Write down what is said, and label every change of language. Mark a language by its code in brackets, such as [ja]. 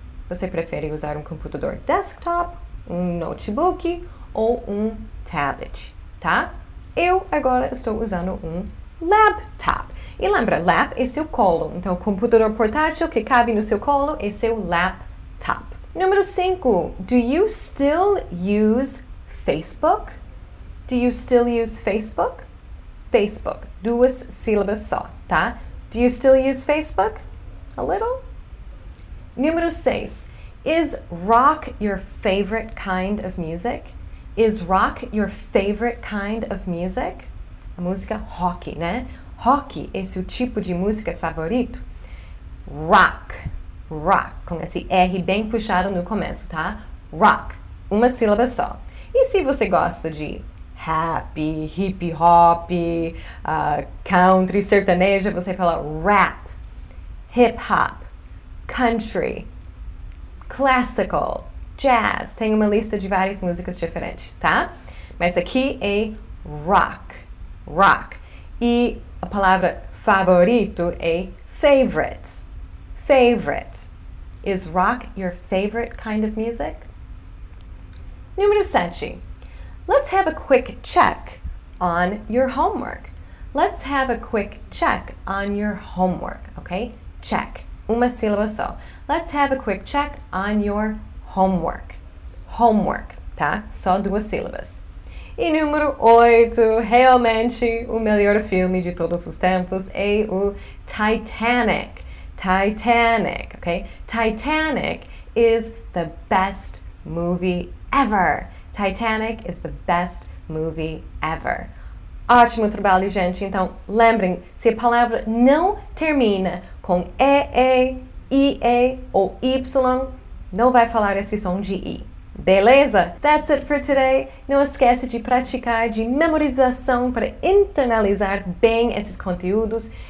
[pt] Você prefere usar um computador desktop, um notebook ou um tablet, tá? Eu agora estou usando um laptop. E lembra, lap é seu colo. Então, computador portátil que cabe no seu colo é seu laptop. Número 5. [en] Do you still use Facebook? Do you still use Facebook? Facebook. [pt] Duas sílabas só, tá? [en] Do you still use Facebook? A little? [pt] Número 6. [en] Is rock your favorite kind of music? Is rock your favorite kind of music? [pt] A música rock, né? Rock é seu tipo de música favorito? Rock. Rock. Com esse R bem puxado no começo, tá? Rock. Uma sílaba só. E se você gosta de happy, hip hop, country, sertaneja, você fala rap, hip hop, country. Classical, jazz, tem uma lista de várias músicas diferentes, tá? Mas aqui é rock, rock. E a palavra favorito é favorite, favorite. [en] Is rock your favorite kind of music? [pt] Número 7. [en] Let's have a quick check on your homework. Let's have a quick check on your homework, okay? Check. [pt] Uma sílaba só. [en] Let's have a quick check on your homework. [pt] Homework, tá? Só duas sílabas. E número 8, realmente o melhor filme de todos os tempos é o Titanic. Titanic, ok? [en] Titanic is the best movie ever. Titanic is the best movie ever. [pt] Ótimo trabalho, gente. Então, lembrem, se a palavra não termina com EE, IE ou Y, não vai falar esse som de I. Beleza? [en] That's it for today. [pt] Não esquece de praticar, de memorização para internalizar bem esses conteúdos.